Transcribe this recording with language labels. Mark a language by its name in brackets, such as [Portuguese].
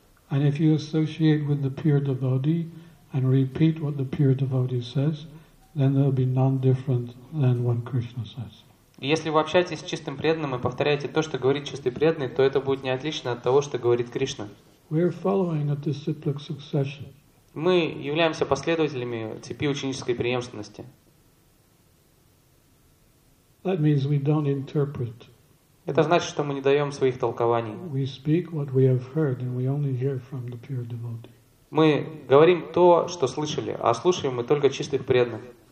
[English] And if you associate with the pure devotee and repeat what the pure devotee says, then there will be none different than when Krishna says. [Russian] Если вы общаетесь с чистым преданным и повторяете то, что говорит чистый преданный, то это будет не отлично от того, что говорит Кришна. [English] We are following a disciplic succession. [Russian] Мы являемся последователями цепи ученической преемственности. [English] That means we don't interpret. [Russian] Это значит, что мы не даем своих толкований. [English] We speak what we have heard, and we only hear from the pure devotee. [Russian] Мы говорим то, что слышали, а слушаем мы только чистых преданных.